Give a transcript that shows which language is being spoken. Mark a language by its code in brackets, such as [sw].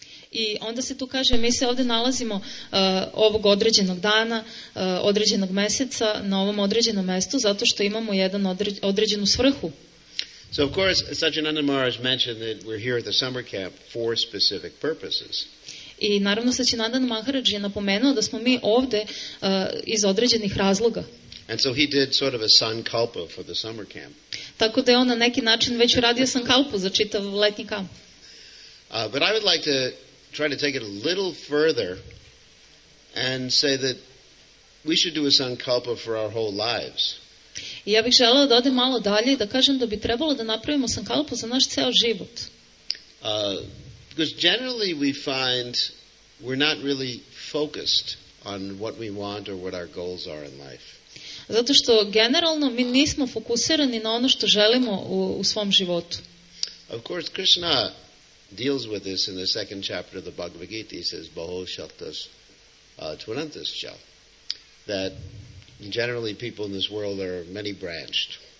[sr] I onda se tu kaže mi se ovde nalazimo ovog određenog dana, određenog meseca, na ovom određenom mestu zato što imamo jedan određenu svrhu. [en] So of course, Satchitananda Maharaj mentioned that we're here at the summer camp for specific purposes. [sr] I naravno Satchitananda Maharaj je napomenuo da smo mi ovde iz određenih razloga. [en] And so he did sort of a sankalpa for the summer camp. [sr] Tako da je on na neki način već uradio sankalpu za čitav letnji kamp. [en] But I would like to try to take it a little further and say that we should do a sankalpa for our whole lives. [sr] Ja bih želeo da odem malo dalje i da kažem da bi trebalo da napravimo sankalpu za naš ceo život. [en] Because generally we find we're not really focused on what we want or what our goals are in life. [sr] Zato što generalno mi nismo fokusirani na ono što želimo u svom životu. [en] Of course Krishna deals with this in the second chapter of the Bhagavad Gita. He says [sa] Baho Shaktas Tvanantas Cha, [en] that generally people in this world are many branched.